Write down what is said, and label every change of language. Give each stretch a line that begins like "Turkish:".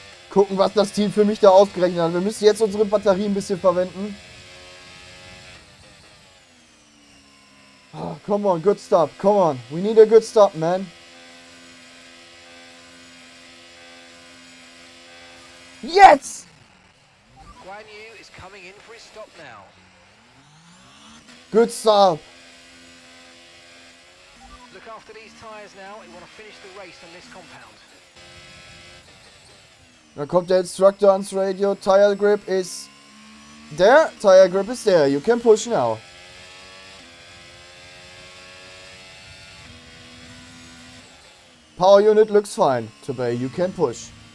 German: Gucken, was das Team für mich da ausgerechnet hat. Wir müssen jetzt unsere Batterie ein bisschen verwenden.
English: Oh, come on, good stop! Come on! We need a good stop, man!
German: Jetzt!
English: Guan Yu is coming in for his stop now. Good stop. Look after these tires now. We want to finish the race on this compound.
German: Da kommt der Instructor ans Radio.
English: Tire grip is there. Tire grip is there. You can push now. Power unit looks fine. Tobey, you can push.